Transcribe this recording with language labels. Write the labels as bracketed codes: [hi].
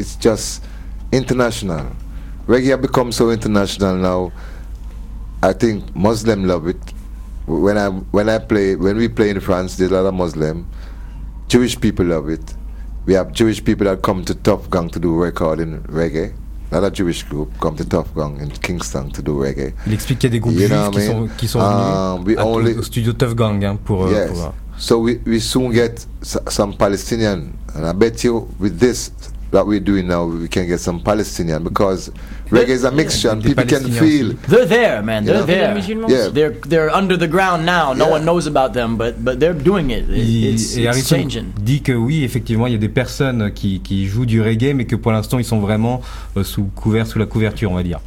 [en] It's just international. Reggae has become so international now. I think Muslim love it. When we play in France, there's a lot of Muslim. Jewish people love it. We have Jewish people that come to Tuff Gong to do recording reggae. Another Jewish group come to Tuff Gong in Kingston to do reggae. [fr] Il explique qu'il y a des groupes juifs qui sont venus au studio Tuff Gong [en] So we soon get some Palestinian, and I bet you with this that we're doing now we can get some Palestinian because reggae is a mixture and people can feel. They're there, man. They're there. Yeah. They're under the ground now. No one knows about them, but they're doing it. It's changing. [fr] Dit que oui, effectivement, il y a des personnes qui jouent du reggae, mais que pour l'instant, ils sont vraiment sous la couverture, on va dire.